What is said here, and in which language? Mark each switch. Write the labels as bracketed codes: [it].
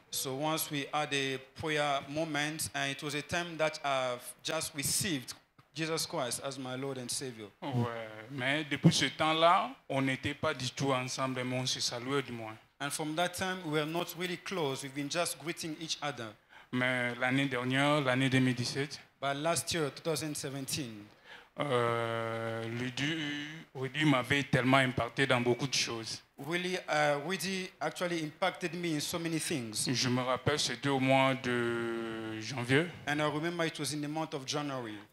[en] So once we had a prayer moment, and it was a time that I've just received Jesus Christ as my Lord and Savior. [fr] Ouais, mais depuis ce temps-là, on n'était pas du tout ensemble, mais on se saluait du moins. [en] And from that time, we were not really close. We've been just greeting each other. [fr] Mais l'année dernière, l'année 2017. [en] But last year, 2017. [fr] Rudy m'avait tellement impacté dans beaucoup de choses. [en] Really, Rudy actually impacted me in so many things. [fr] Je me rappelle, c'était au mois de janvier. [en] And I remember it was in the month of January.